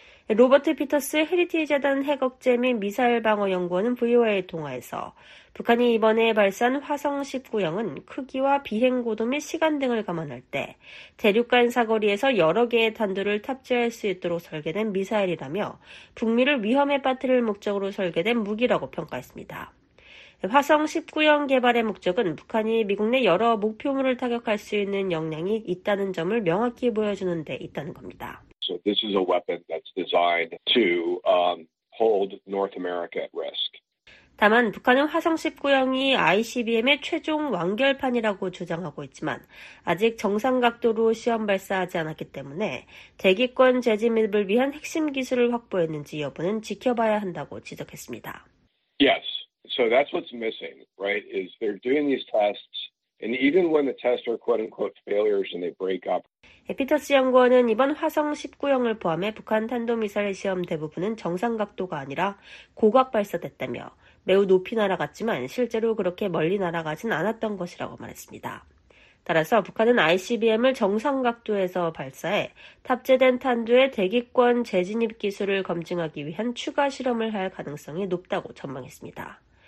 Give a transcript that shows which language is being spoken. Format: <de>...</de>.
<ko>로버트 피터스 헤리티 재단 핵억제 및 미사일 방어 연구원은 VOA 통화에서 북한이 이번에 발사한 화성 19형은 크기와 비행 고도 및 시간 등을 감안할 때 대륙간 사거리에서 여러 개의 탄두를 탑재할 수 있도록 설계된 미사일이라며 북미를 위험에 빠뜨릴 목적으로 설계된 무기라고 평가했습니다. 화성 19형 개발의 목적은 북한이 미국 내 여러 목표물을 타격할 수 있는 역량이 있다는 점을 명확히 보여주는 데 있다는 겁니다.</ko> <en>So this is a weapon that's designed to hold North America at risk.</en> <ko>다만 북한은 화성 19형이 ICBM의 최종 완결판이라고 주장하고 있지만 아직 정상 각도로 시험 발사하지 않았기 때문에 대기권 재진입을 위한 핵심 기술을 확보했는지 여부는 지켜봐야 한다고 지적했습니다.</ko> <en>Yes. So that's what's missing, right? Is they're doing these tests and even when the tests are quote unquote failures and they break up.</en> <ko>피터스 연구원은 이번 화성 19형을 포함해 북한 탄도미사일 시험 대부분은 정상 각도가 아니라 고각 발사됐다며 매우 높이 날아갔지만 실제로 그렇게 멀리 날아가진 않았던 것이라고 말했습니다. 따라서 북한은 ICBM을 정상 각도에서 발사해 탑재된 탄두의 대기권 재진입 기술을 검증하기 위한 추가 실험을 할 가능성이 높다고 전망했습니다.</ko>